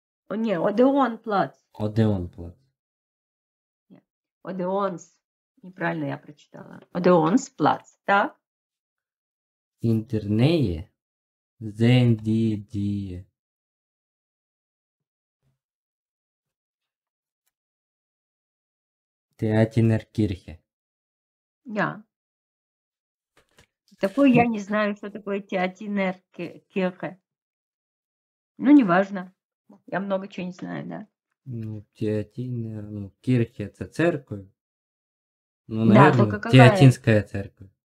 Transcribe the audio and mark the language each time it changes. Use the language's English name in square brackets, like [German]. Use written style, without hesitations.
[Russian] Не, Odeonplatz. Odeonplatz. Odeons. Неправильно я прочитала. Odeonsplatz, так? [German] In der Nähe sehen die die Theatiner Kirche. Ja. [Russian] Такой я не знаю, что такое Театинер Кирхе. Ну, неважно. Я много чего не знаю, да. Ну, Театинер, ну, Кирхе это церковь. Ну, наверное, да, какая? Театинская церковь.